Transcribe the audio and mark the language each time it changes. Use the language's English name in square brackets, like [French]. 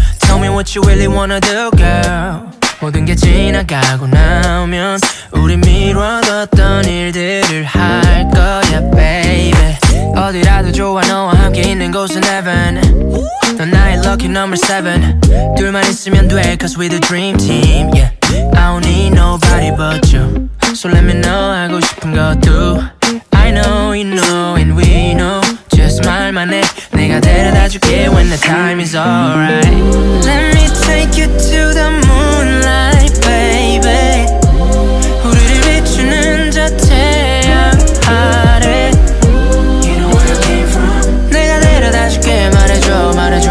[English] Tell me what you really wanna do girl. [Korean] 모든 게 지나가고 나면 우리 미뤄뒀던 일들을 할 거야 baby. 어디라도 좋아 너와 함께 있는 곳은 heaven. 넌 나의 [English] lucky number 7. [Korean] 둘만 있으면 돼 [English] cause we the dream team yeah. I don't need nobody but you. So let me know [Korean] 하고 싶은 것도 [English] I know you know and we know. Just [Korean] 말만 해 내가 데려다 줄게 [English] when the time is alright. Let me take you to the moonlight baby. [Korean] 우리를 비추는 저 태양 아래. [English] You know where I came from. [Korean] 내가 데려다 줄게 말해줘 말해줘.